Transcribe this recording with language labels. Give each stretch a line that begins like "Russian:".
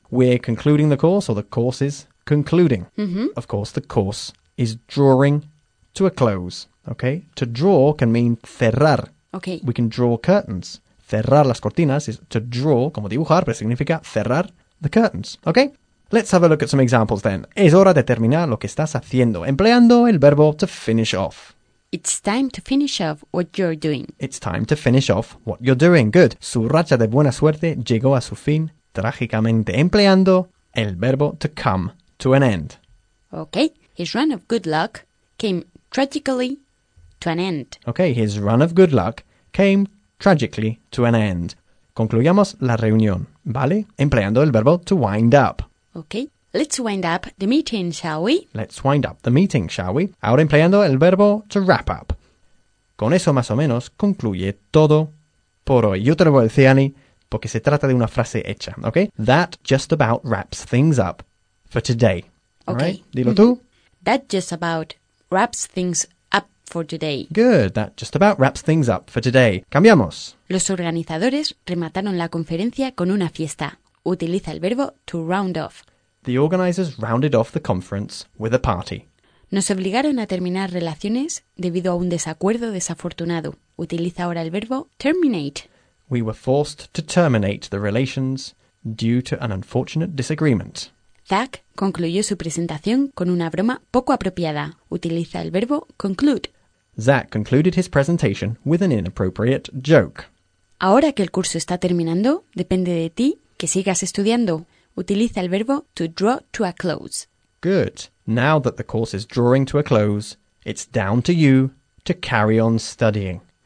English: We're concluding the course, or the course is concluding. Mm-hmm. Of course, the course is drawing to a close. Okay? To draw can mean cerrar. Okay. We can draw curtains.
Spanish: Cerrar las cortinas
English: is to draw,
Spanish: como dibujar, pero significa cerrar
English: the curtains. Okay? Let's have a look at some examples then.
Spanish: Es hora de terminar lo que estás haciendo, empleando el verbo to finish off.
English: It's time to finish off what you're doing. It's time to finish off what you're doing. Good.
Spanish: Su racha de buena suerte llegó a su fin trágicamente, empleando el verbo to come to an end.
English: Okay. His run of good luck came tragically to an end. Okay. His run of good luck came tragically to an end.
Spanish: Concluyamos la reunión, ¿vale? Empleando el verbo to wind up.
English: Okay. Let's wind up the meeting, shall we? Let's wind up the meeting, shall we?
Spanish: Ahora empleando el verbo to wrap up. Con eso más o menos concluye todo por hoy. Yo te lo voy a decir, Annie, porque se trata de una frase hecha, okay?
English: That just about wraps things up for today. Okay.
Spanish: Right? Dilo tú.
English: That just about wraps things up for today. Good. That just about wraps things up for today.
Spanish: Cambiamos. Los organizadores remataron la conferencia con una fiesta. Utiliza el verbo to round off.
English: The organizers rounded off the conference with a party.
Spanish: Nos obligaron a terminar relaciones debido a un desacuerdo desafortunado. Utiliza ahora el verbo terminate.
English: We were forced to terminate the relations due to an unfortunate disagreement.
Spanish: Zack concluyó su presentación con una broma poco apropiada. Utiliza el verbo conclude.
English: Zack concluded his presentation with an inappropriate joke.
Spanish: Ahora que el curso está terminando, depende de ti que sigas estudiando. Utiliza el verbo to draw to a close.
English: Good. Now that the course is drawing to a close, it's down to you to carry on studying.